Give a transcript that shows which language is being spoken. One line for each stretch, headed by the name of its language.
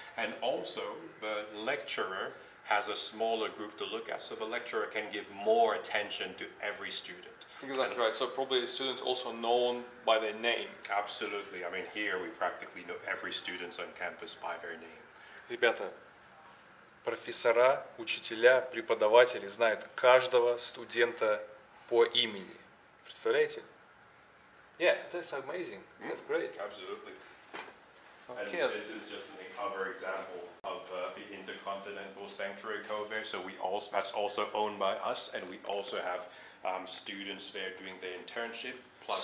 English: And also, the lecturer has a smaller group to look at, so the lecturer can give more attention to every student. Exactly. And, right, so probably the student's also known by their name. Absolutely. I mean, here we practically know every student on campus by their name.
Russian: Ребята, профессора, учителя, преподаватели знают каждого студента по имени. Представляете?
English: Yeah, that's amazing. That's great. Absolutely. Okay. And this is just an other example of the Intercontinental Sanctuary Cove. So we also, that's also owned by us, and we also have students there doing their internship, plus